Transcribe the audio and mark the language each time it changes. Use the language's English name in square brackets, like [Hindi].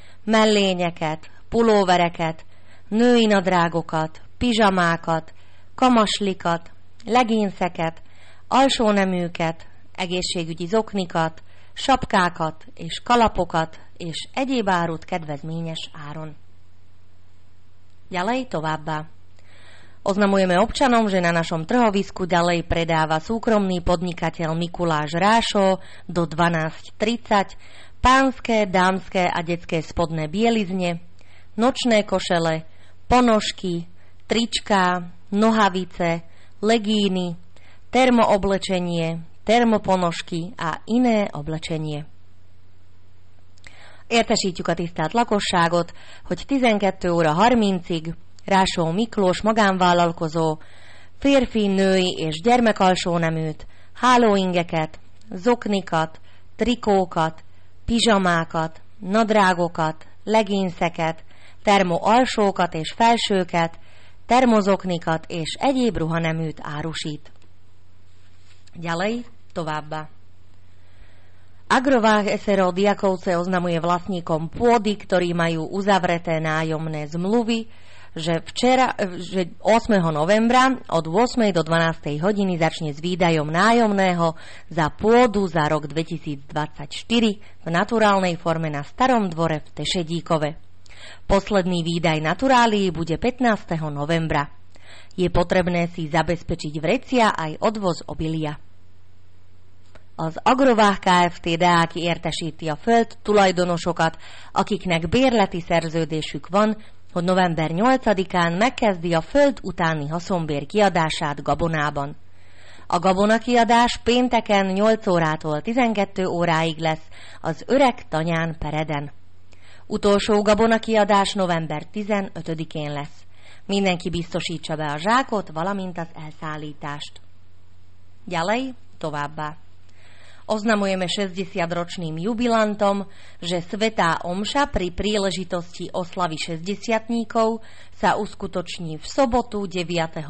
[Hungarian] mellényeket, pulóvereket, női nadrágokat, pizsamákat, kamaslikat, legénszeket, alsóneműket, egészségügyi zoknikat, sapkákat és kalapokat és egyéb árut kedvezményes áron. [Slovak] Ďalej [Hungarian] továbbá. [Slovak] Oznamujeme občanom, že na našom trhovisku ďalej predáva súkromný podnikateľ Mikuláš Rášo do 12.30 pánske, dámske a detské spodné bielizne, nočné košele, ponožky, tričká, nohavice, legíny, termooblečenie, termoponožky a iné oblečenie. [Hungarian] Értesítjük a tisztelt lakosságot, hogy 12 óra 30-ig Rásó Miklós magánvállalkozó férfi, női és gyermekalsóneműt, hálóingeket, zoknikat, trikókat, pizsamákat, nadrágokat, legínszeket, termoalsókat és felsőket, termozoknikat és egyéb ruhaneműt árusít. [Slovak] Ďalej [Hungarian] továbbá. [Slovak] Agrováh SRO Diakovce oznamuje vlastníkom pôdy, ktorí majú uzavreté nájomné zmluvy, že včera, že 8. novembra od 8. do 12. hodiny začne s výdajom nájomného za pôdu za rok 2024 v naturálnej forme na Starom dvore v Tešedíkove. Posledný výdaj naturálii bude 15. novembra. Je potrebné si zabezpečiť vrecia aj odvoz obilia. [Hungarian] Az Agrováh Kft. Deák értesíti a föld tulajdonosokat, akiknek bérleti szerződésük van, hogy november 8-án megkezdi a föld utáni haszonbér kiadását gabonában. A gabonakiadás pénteken 8 órától 12 óráig lesz az öreg tanyán Pereden. Utolsó gabonakiadás november 15-én lesz. Mindenki biztosítsa be a zsákot, valamint az elszállítást. [Slovak] Ďalej [Hungarian] továbbá. [Slovak] Oznamujeme 60-ročným jubilantom, že Svetá omša pri príležitosti oslavy 60-tníkov sa uskutoční v sobotu 9.